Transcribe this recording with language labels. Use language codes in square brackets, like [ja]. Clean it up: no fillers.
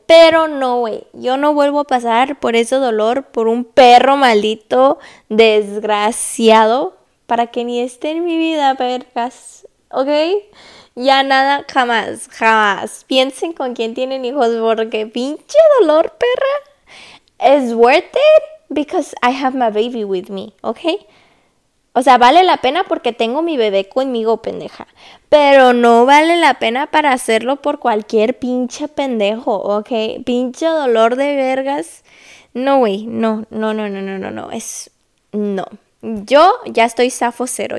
[es] Pero no, güey, yo no vuelvo a pasar por ese dolor, por un perro maldito, desgraciado, para que ni esté en mi vida, vergas, ¿ok? Ya nada, jamás, jamás. Piensen con quién tienen hijos, porque pinche dolor, perra. [en] Is worth it because I have my baby with me, [es] ¿ok? O sea, vale la pena porque tengo mi bebé conmigo, pendeja. Pero no vale la pena para hacerlo por cualquier pinche pendejo, ¿ok? Pinche dolor de vergas. No, güey, no, no, no, no, no, no, no. Es no. Yo ya estoy safo cero.